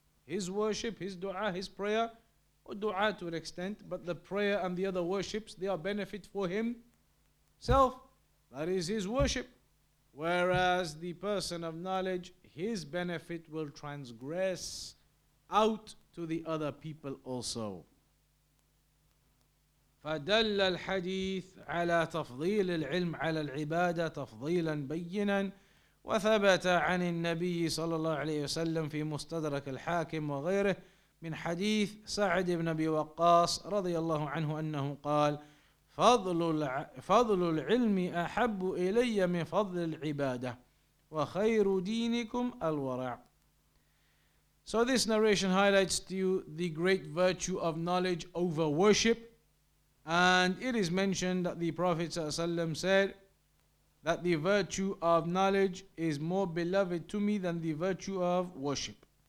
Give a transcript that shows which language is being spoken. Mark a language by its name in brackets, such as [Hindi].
[English] His worship, his dua, his prayer, or dua to an extent, but the prayer and the other worships, they are benefit for himself. That is his worship. Whereas the person of knowledge, his benefit will transgress out to the other people also. [Arabic] فدل الحديث على تفضيل العلم على العبادة تفضيلا بينا وثبت عن النبي صلى الله عليه وسلم في مستدرك الحاكم وغيره من حديث سعد بن أبي وقاص رضي الله عنه أنه قال فضل العلم أحب إلي من فضل العبادة وخير دينكم الورع. [English] So this narration highlights to you the great virtue of knowledge over worship. And it is mentioned that the Prophet ﷺ said that the virtue of knowledge is more beloved to me than the virtue of worship.